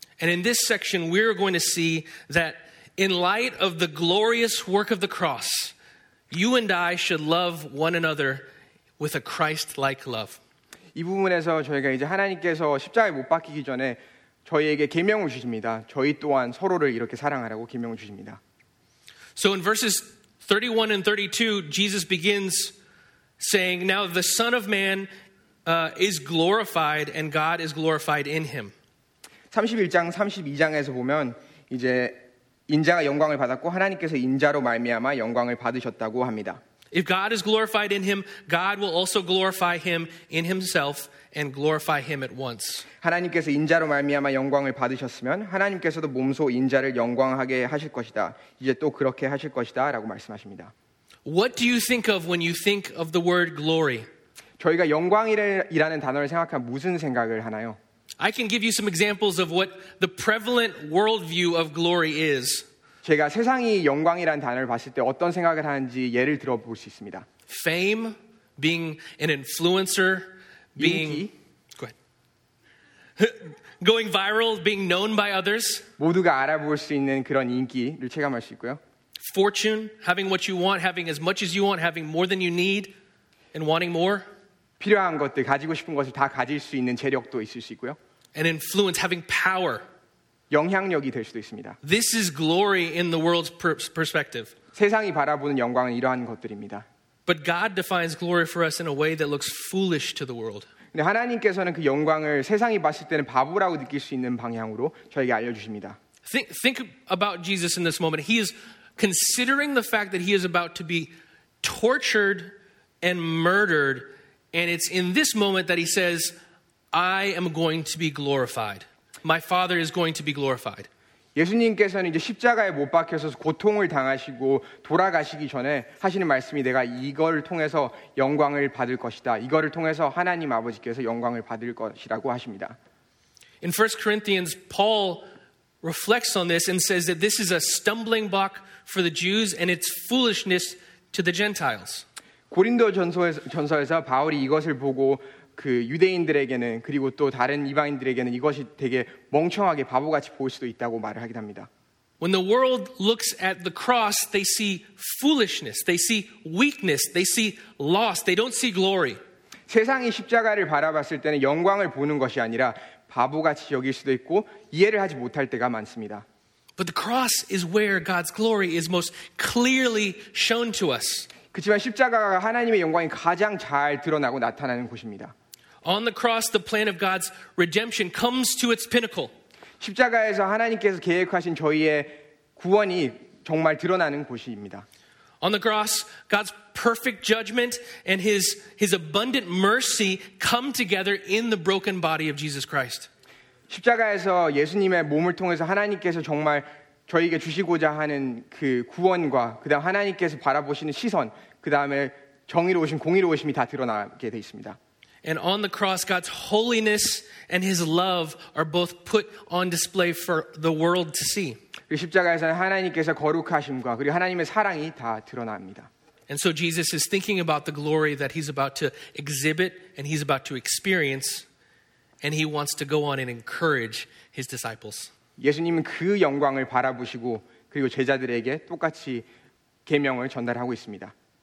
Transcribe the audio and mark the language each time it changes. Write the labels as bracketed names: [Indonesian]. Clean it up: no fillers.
[English] And in this section we are going to see that in light of the glorious work of the cross, you and I should love one another with a Christ-like love. [Korean] 이 부분에서 저희가 이제 하나님께서 십자가에 못 박히기 전에 저희에게 계명을 주십니다. 저희 또한 서로를 이렇게 사랑하라고 계명을 주십니다. [English] So in verses 31 and 32, Jesus begins saying, "Now the Son of Man is glorified, and God is glorified in Him." [Korean] 31장 32장에서 보면 이제 인자가 영광을 받았고 하나님께서 인자로 말미암아 영광을 받으셨다고 합니다. [English] If God is glorified in him, God will also glorify him in himself and glorify him at once. [Korean] 하나님께서 인자로 말미암아 영광을 받으셨으면 하나님께서도 몸소 인자를 영광하게 하실 것이다. 이제 또 그렇게 하실 것이다라고 말씀하십니다. [English] What do you think of when you think of the word glory? [Korean] 저희가 영광이라는 단어를 생각하면 무슨 생각을 하나요? [English] I can give you some examples of what the prevalent worldview of glory is. [Korean] 제가 세상이 영광이라는 단어를 봤을 때 어떤 생각을 하는지 예를 들어볼 수 있습니다. [English] Fame, being an influencer, being [Korean] 인기. [English] Go ahead. Going viral, being known by others. [Korean] 모두가 알아볼 수 있는 그런 인기를 체감할 수 있고요. [English] Fortune, having what you want, having as much as you want, having more than you need, and wanting more. [Korean] 필요한 것들, 가지고 싶은 것을 다 가질 수 있는 재력도 있을 수 있고요. [English] And influence, having power. [Korean] 영향력이 될 수도 있습니다. [English] This is glory in the world's perspective. [Korean] 세상이 바라보는 영광은 이러한 것들입니다. [English] But God defines glory for us in a way that looks foolish to the world. [Korean] 근데 하나님께서는 그 영광을 세상이 봤을 때는 바보라고 느낄 수 있는 방향으로 저에게 알려주십니다. [English] Think about Jesus in this moment. He is considering the fact that he is about to be tortured and murdered. And it's in this moment that he says, I am going to be glorified. My Father is going to be glorified. [Korean] 예수님께서는 이제 십자가에 못 박혀서 고통을 당하시고 돌아가시기 전에 하시는 말씀이 내가 이걸 통해서 영광을 받을 것이다. 이거를 통해서 하나님 아버지께서 영광을 받을 것이라고 하십니다. [English] In 1 Corinthians, Paul reflects on this and says that this is a stumbling block for the Jews and it's foolishness to the Gentiles. [Korean] 고린도 전서에서 바울이 이것을 보고 그 유대인들에게는 그리고 또 다른 이방인들에게는 이것이 되게 멍청하게 바보같이 보일 수도 있다고 말을 하기도 합니다. [English] When the world looks at the cross, they see foolishness, they see weakness, they see loss, they don't see glory. [Korean] 세상이 십자가를 바라봤을 때는 영광을 보는 것이 아니라 바보같이 여길 수도 있고 이해를 하지 못할 때가 많습니다. [English] But the cross is where God's glory is most clearly shown to us. [Korean] 그렇지만 십자가가 하나님의 영광이 가장 잘 드러나고 나타나는 곳입니다. [English] On the cross, the plan of God's redemption comes to its pinnacle. [Korean] 십자가에서 하나님께서 계획하신 저희의 구원이 정말 드러나는 곳입니다. [English] On the cross, God's perfect judgment and his abundant mercy come together in the broken body of Jesus Christ. [Korean] 십자가에서 예수님의 몸을 통해서 하나님께서 정말 저희에게 주시고자 하는 그 구원과 그다음 하나님께서 바라보시는 시선, 그다음에 정의로우신 공의로우심이 다 드러나게 돼 있습니다. [English] And on the cross God's holiness and his love are both put on display for the world to see. [Korean] 그 십자가에서는 하나님께서 거룩하심과 그리고 하나님의 사랑이 다 드러납니다. [English] And so Jesus is thinking about the glory that he's about to exhibit and he's about to experience and he wants to go on and encourage his disciples. [Korean] 예수님은 그 영광을 바라보시고 그리고 제자들에게 똑같이 계명을 전달하고 있습니다.